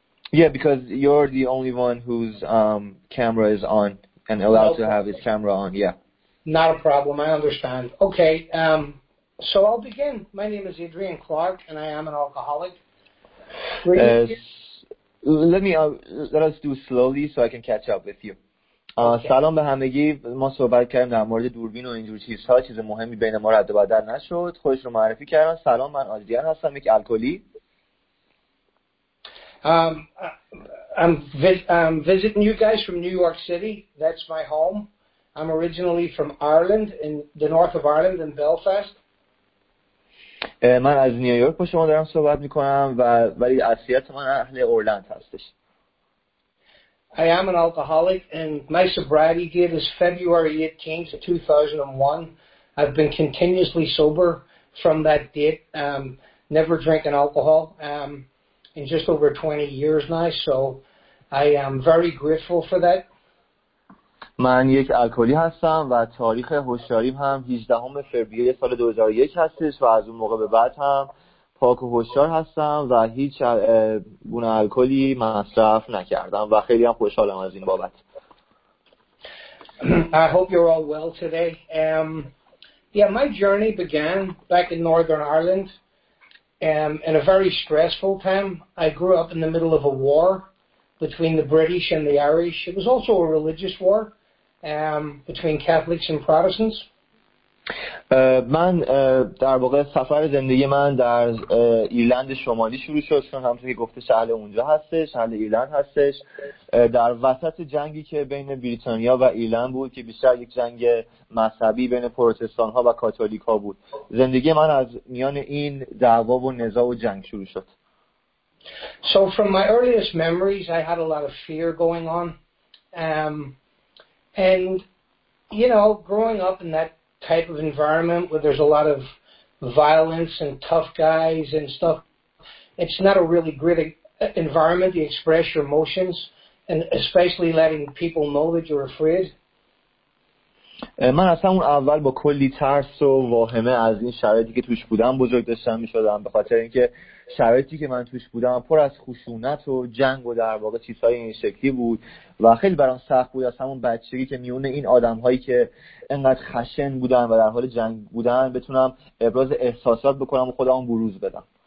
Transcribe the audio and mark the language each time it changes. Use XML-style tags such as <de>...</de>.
<en>Yeah, because you're the only one whose camera is on and allowed to have his camera on. Yeah. Not a problem. I understand. Okay. So I'll begin. My name is Adrian Clark, and I am an alcoholic. Let us do slowly so I can catch up with you.</en> <fa>سلام به همگی. ما صحبت کردیم در مورد دوربین و اینجور چیزها، چیز مهمی بین ما رد و بدل نشد. خودش رو معرفی کردن. سلام، من آدریان هستم، یک الکلی.</fa> <en>I'm visiting you guys from New York City. That's my home. I'm originally from Ireland, in the north of Ireland, in Belfast.</en> <fa>من از نیویورک با شما دارم صحبت میکنم و ولی اصلیت من اهل ایرلند هستش.</fa> <en>I am an alcoholic, and my sobriety date is February 18th, 2001. I've been continuously sober from that date, never drinking alcohol, in just over 20 years now, so I am very grateful for that.</en> <fa>من یک الکلی هستم و تاریخ هوشیاریم هم 18 فوریه سال 2001 هستش و از اون موقع به بعد هم پاک و هوشیار هستم و هیچ گونه الکلی مصرف نکردم و خیلی هم خوشحالم از این بابت.</fa> <en>I hope you're all well today. My journey began back in Northern Ireland in a very stressful time. I grew up in the middle of a war between the British and the Irish. It was also a religious war between Catholics and Protestants.</en> <fa>من در واقع سفر زندگی من در ایرلند شمالی شروع شد، چون همونطور که گفته شهر اونجا هستش، شهر ایرلند هستش، در وسط جنگی که بین بریتانیا و ایرلند بود که بیشتر یک جنگ مذهبی بین پروتستان ها و کاتولیک ها بود. زندگی من از میان این دعوا و نزاع و جنگ شروع شد.</fa> <en>So from my earliest memories I had a lot of fear going on and you know growing up in that type of environment where there's a lot of violence and tough guys and stuff, it's not a really great environment to express your emotions and especially letting people know that you're afraid.</en> <fa>من از همون اول با کلی ترس و واهمه از این شرایطی که توش بودم بزرگ داشتم می‌شدم، به خاطر اینکه شرایطی که من توش بودم پر از خشونت و جنگ و در واقع چیزهای این شکلی بود و خیلی برام سخت بود از همون بچگی که میونه این آدم‌هایی که انقدر خشن بودن و در حال جنگ بودن بتونم ابراز احساسات بکنم و خودمو بروز بدم.</fa>